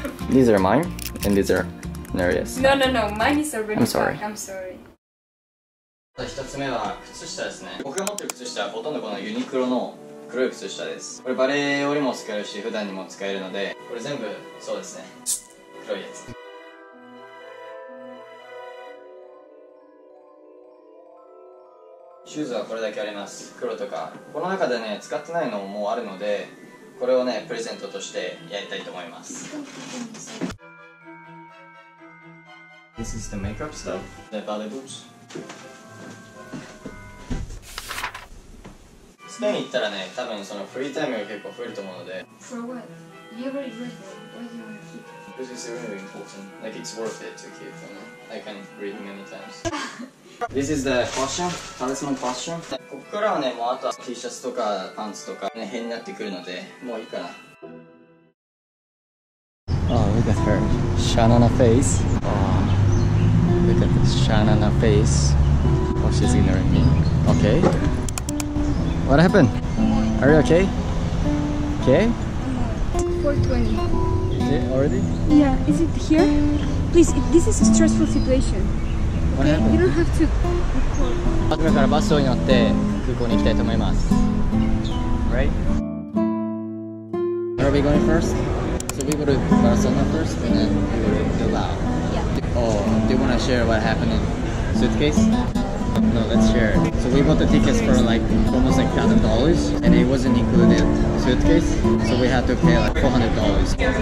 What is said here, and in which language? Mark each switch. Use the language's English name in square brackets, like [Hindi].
[English] These are mine, and these are Nerea's. No, no, no, mine is already packed. I'm sorry. [Japanese] まず一つ目は靴下ですね。僕が持ってる靴下はほとんどこのユニクロの黒い靴下です。これバレエ用にも使えるし、普段にも使えるので、これ全部そうですね。黒いやつ。シューズはこれだけあります。黒とか。この中でね、使ってないのもあるので、これをね、プレゼントとしてやりたいと思います。 [English] This is the makeup stuff. The ballet boots. [Japanese] スペイン行ったらね、多分そのフリータイムが結構増えると思うので。 [English] For what? You already read it. Why do you want to keep it? Because it's really important. Like it's worth it to keep it. I can read many times. This is the fashion. Talisman fashion. [Japanese] ここからはね、もうあとは T シャツとかパンツとかね、変になってくるので、もういいかな。 [English] Oh, look at her. Shanana face. Oh, look at this Shanana face. Oh, she's ignoring me. Okay. What happened? Are you okay? Okay? 420. Is it already? Yeah, is it here? Please, this is a stressful situation. What happened? You don't have to record. [Japanese] 今からバスを乗って、空港に行きたいと思います。 [English] Right? Where are we going first? So we go to Barcelona first, and then we go to Bilbao. Yeah. Oh, do you want to share what happened in suitcase? No. No, let's share. So we bought the tickets for like almost like $1,000, and it wasn't included suitcase, so we had to pay like $400.